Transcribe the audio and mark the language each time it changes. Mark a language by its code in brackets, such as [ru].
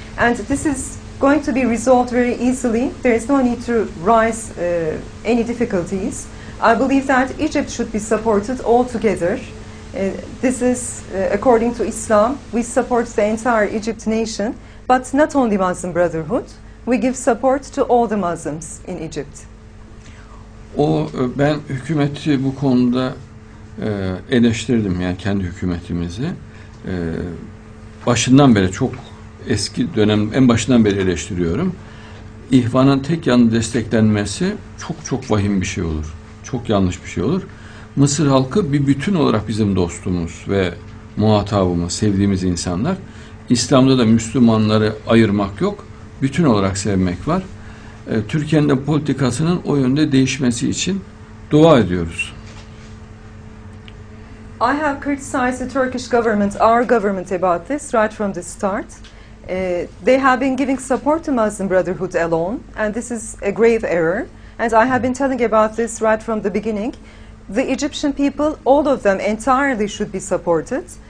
[en] And this is going to be resolved very easily. There is no need to raise any difficulties. I believe that Egypt should be supported altogether. This is according to Islam. We support the entire Egypt nation, but not only Muslim Brotherhood. We give support to all the Muslims in Egypt. [tr] O, ben hükümeti bu konuda eleştirdim, yani kendi hükümetimizi. Başından beri, çok eski dönem, en başından beri eleştiriyorum. İhvanın tek yanlı desteklenmesi çok çok vahim bir şey olur. Çok yanlış bir şey olur. Mısır halkı bir bütün olarak bizim dostumuz ve muhatabımız, sevdiğimiz insanlar. İslam'da da Müslümanları ayırmak yok, bütün olarak sevmek var. Türkiye'nin de politikasının o yönde değişmesi için dua ediyoruz. [en] I have criticized the Turkish government, our government, about this right from the start. They have been giving support to Muslim Brotherhood alone, and this is a grave error. And I have been telling about this right from the beginning. The Egyptian people, all of them, entirely should be supported.